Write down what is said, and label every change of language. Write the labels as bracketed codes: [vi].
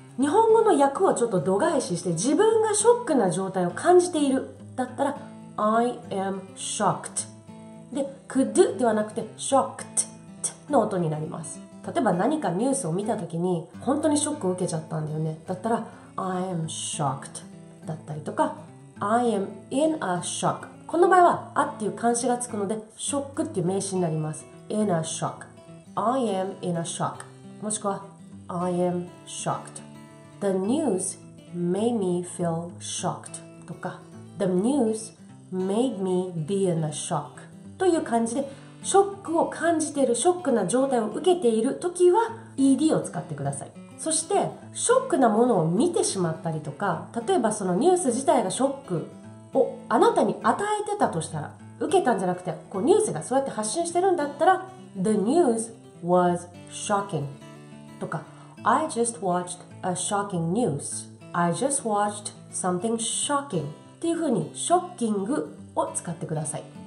[ja] 日本語の訳をちょっと度外視して自分がショックな状態を感じているだったら [en] I am shocked [ja] で、 could ではなくて shocked の音になります。例えば何かニュースを見た時に本当にショックを受けちゃったんだよねだったら [en] I am shocked [ja] だったりとか、 [en] I am in a shock、 [ja] この場合はあっていう冠詞がつくのでショックっていう名詞になります。 [en] in a shockI am in a shock. [ja] もしくは [en] I am shocked. The news made me feel shocked. [ja] とか [en] The news made me be in a shock. [ja] という感じでショックを感じている、ショックな状態を受けているときは ED を使ってください。そしてショックなものを見てしまったりとか、例えばそのニュース自体がショックをあなたに与えてたとしたら、受けたんじゃなくてこうニュースがそうやって発信してるんだったら [en] The newsWas shocking [ja] とか [en] I just watched a shocking news I just watched something shocking [ja] っていう風にショッキングを使ってください。